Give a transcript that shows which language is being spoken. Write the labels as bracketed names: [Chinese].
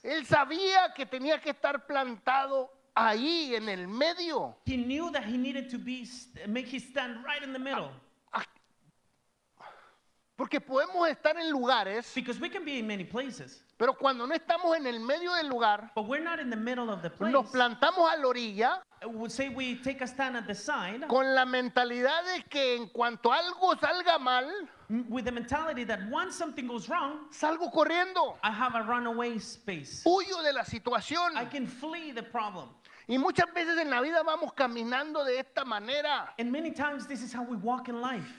[Spanish] Él sabía que tenía que estar plantado ahí en el medio. [English] He knew that he needed to be make his stand right in the middle. [Spanish] Porque podemos estar en lugares. [English] Because we can be in many places. [Spanish] Pero cuando no estamos en el medio del lugar, [English] but we're not in the middle of the place, [Spanish] nos plantamos a la orilla, [English] we'll say we take a stand at the side, [Spanish] con la mentalidad de que en cuanto algo salga mal, [English] with the mentality that once something goes wrong, [Spanish] salgo corriendo, [English] I have a runaway space, [Spanish] huyo de la situación, [English] I can flee the problem. [Spanish] Y muchas veces en la vida vamos caminando de esta manera, [English] and many times this is how we walk in life,